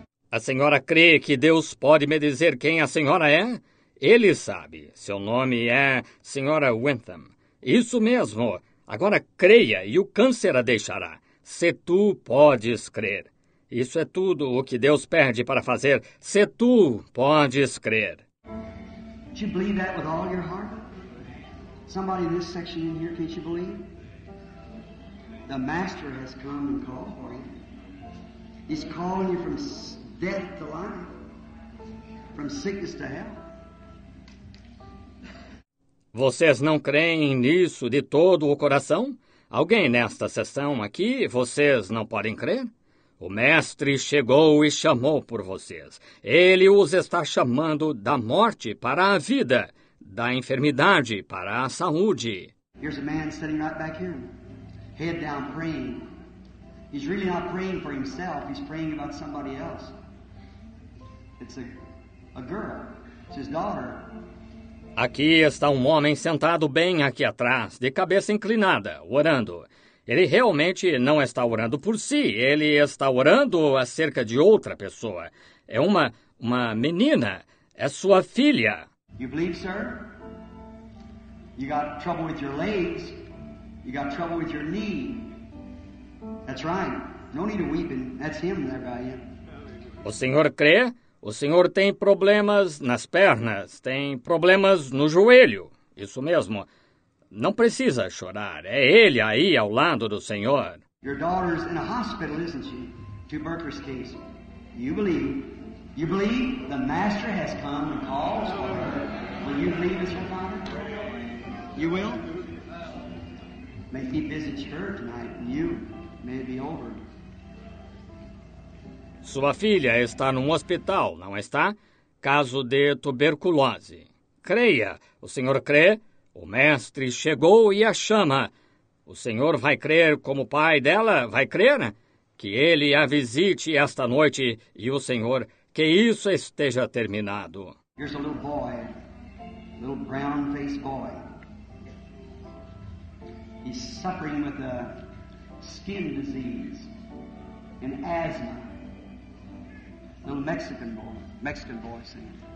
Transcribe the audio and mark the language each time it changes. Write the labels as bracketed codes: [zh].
[pt] A senhora crê que Deus pode me dizer quem a senhora é? Ele sabe. Seu nome é Senhora Wyndham. Isso mesmo. Agora creia e o câncer a deixará. Se tu podes crer. Isso é tudo o que Deus pede para fazer. Se tu podes crer. [en] Do you believe that with all your heart? Somebody in this section in here, can't you believe? The master has come and called for you. He's calling you from death to life. From sickness to health. [pt] Vocês não creem nisso de todo o coração? Alguém nesta sessão aqui, vocês não podem crer? O mestre chegou e chamou por vocês. Ele os está chamando da morte para a vida, da enfermidade para a saúde. [en] Here's a man sitting right back here, head down praying. He's really not praying for himself, he's praying about somebody else. It's a girl, it's his daughter. [pt] Aqui está um homem sentado bem aqui atrás, de cabeça inclinada, orando. Ele realmente não está orando por si, ele está orando acerca de outra pessoa. É uma menina, é sua filha. [en] You believe, sir? You got trouble with your legs, you got trouble with your knee. That's right, no need to weeping, that's him there by you. [pt] O senhor crê? O senhor tem problemas nas pernas, tem problemas no joelho. Isso mesmo. Não precisa chorar. É ele aí ao lado do senhor. [en] Your daughter's in a hospital, isn't she? Tuberculosis case. You believe? You believe the master has come and calls for her? Will you believe as her father? You will? May he visit her tonight and you. may be over. [pt] Sua filha está num hospital, não está? Caso de tuberculose. Creia, o senhor crê? O mestre chegou e a chama. O senhor vai crer como pai dela? Vai crer? Que ele a visite esta noite e o senhor, que isso esteja terminado. [en] Here's a little boy, little brown-faced boy. He's suffering with a skin disease and asthma. Little Mexican boy, saying.